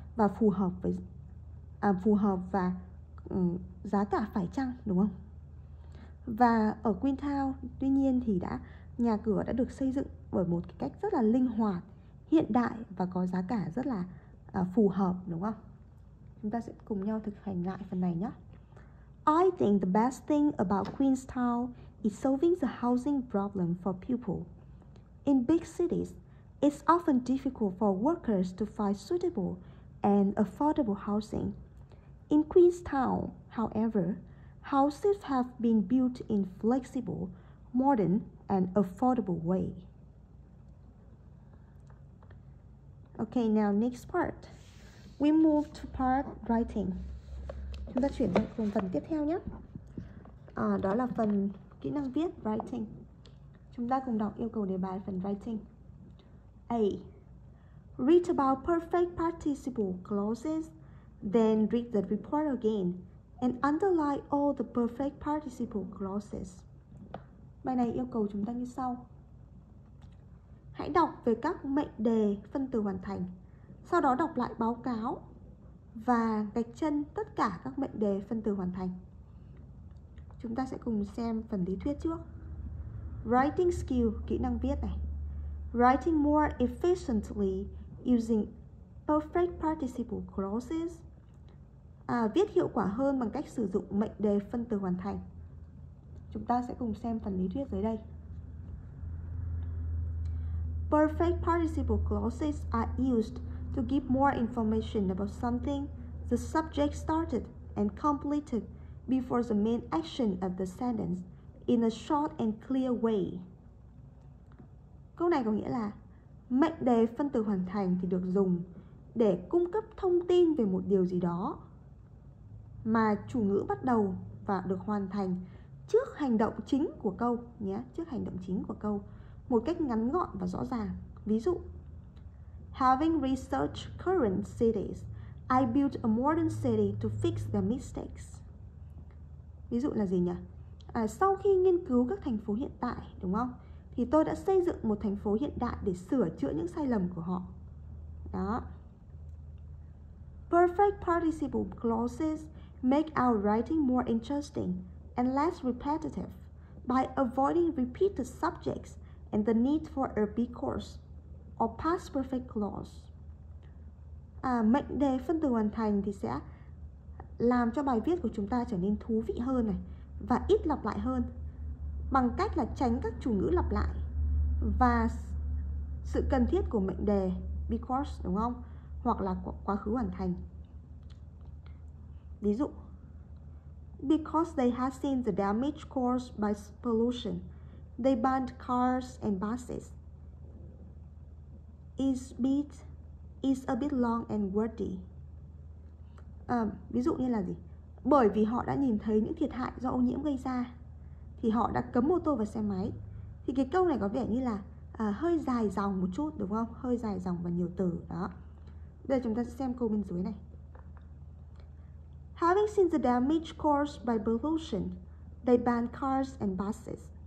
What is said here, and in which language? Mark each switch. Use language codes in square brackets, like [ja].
[vi] Và phù hợp với phù hợp và giá cả phải chăng, đúng không? Và ở Queenstown tuy nhiên thì đã nhà cửa đã được xây dựng bởi một cái cách rất là linh hoạt, hiện đại và có giá cả rất là phù hợp, đúng không? Chúng ta sẽ cùng nhau thực hành lại phần này nhé. [en] I think the best thing about Queenstown is solving the housing problem for people. In big cities, it's often difficult for workers to find suitable and affordable housing. In Queenstown, however, houses have been built in flexible, modern, and affordable way. Okay, now next part. We move to part writing. [vi] Chúng ta chuyển sang phần tiếp theo nhé. Đó là phần kỹ năng viết, writing. Chúng ta cùng đọc yêu cầu đề bài phần writing. [en] A. Read about perfect participle clauses, then read the report again and underline all the perfect participle clauses. [vi] Bài này yêu cầu chúng ta như sau. Hãy đọc về các mệnh đề phân từ hoàn thành, sau đó đọc lại báo cáo và gạch chân tất cả các mệnh đề phân từ hoàn thành. Chúng ta sẽ cùng xem phần lý thuyết trước. [en] Writing skill, [vi] kỹ năng viết này. [en] Writing more efficiently using perfect participle clauses. [vi] Viết hiệu quả hơn bằng cách sử dụng mệnh đề phân từ hoàn thành. Chúng ta sẽ cùng xem phần lý thuyết dưới đây. [en] Perfect participle clauses are used to give more information about something the subject started and completed before the main action of the sentence in a short and clear way. [vi] Câu này có nghĩa là mệnh đề phân từ hoàn thành thì được dùng để cung cấp thông tin về một điều gì đó mà chủ ngữ bắt đầu và được hoàn thành trước hành động chính của câu nhé, trước hành động chính của câu một cách ngắn gọn và rõ ràng. Ví dụ, [en] having researched current cities, I built a modern city to fix their mistakes. [vi] Ví dụ là gì nhỉ? Sau khi nghiên cứu các thành phố hiện tại, đúng không? Thì tôi đã xây dựng một thành phố hiện đại để sửa chữa những sai lầm của họ. Đó. [en] Perfect participle clauses make our writing more interesting and less repetitive by avoiding repeated subjects and the need for a recourse or past perfect clause. [vi] Mệnh đề phân từ hoàn thành thì sẽ làm cho bài viết của chúng ta trở nên thú vị hơn này và ít lặp lại hơn bằng cách là tránh các chủ ngữ lặp lại và sự cần thiết của mệnh đề because, đúng không? hoặc là quá khứ hoàn thành. Ví dụ, [en] because they have seen the damage caused by pollution, they banned cars and buses. It's a bit long and wordy. [vi] Ví dụ như là gì? Bởi vì họ đã nhìn thấy những thiệt hại do ô nhiễm gây ra, thì họ đã cấm ô tô và xe máy. Thì cái câu này có vẻ như là hơi dài dòng một chút, đúng không? Hơi dài dòng và nhiều từ đó. Bây giờ chúng ta sẽ xem câu bên dưới này. [en] Having seen the damage caused by pollution, they ban cars and buses.